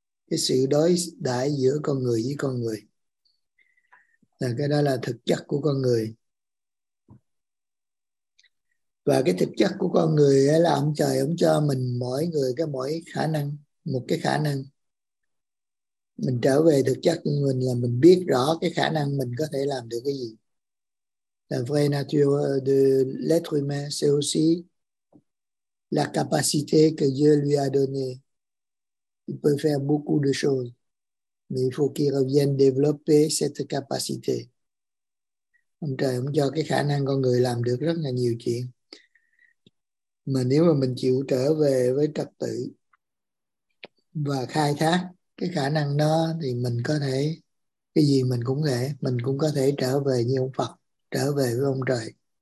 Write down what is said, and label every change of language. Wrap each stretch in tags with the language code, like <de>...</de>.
<vi>Cái sự đối đãi giữa con người với con người. Là cái đó là thực chất của con người. Và cái thực chất của con người ấy là ông trời ông cho mình mỗi người cái mỗi khả năng, một cái khả năng. Mình trở về thực chất của mình là mình biết rõ cái khả năng mình có thể làm được cái gì.</vi> <fr>La vraie nature de l'être humain, c'est aussi la capacité que Dieu lui a donnée. Il peut faire beaucoup de choses, mais il faut qu'il revienne développer cette capacité.</fr> <vi>Ông trời cũng cho cái khả năng con người làm được rất là nhiều chuyện. Mà nếu mà mình chịu trở về với trật tự và khai thác cái khả năng đó thì mình có thể, cái gì mình cũng thể, mình cũng có thể trở về như ông Phật, trở về với ông trời.</vi>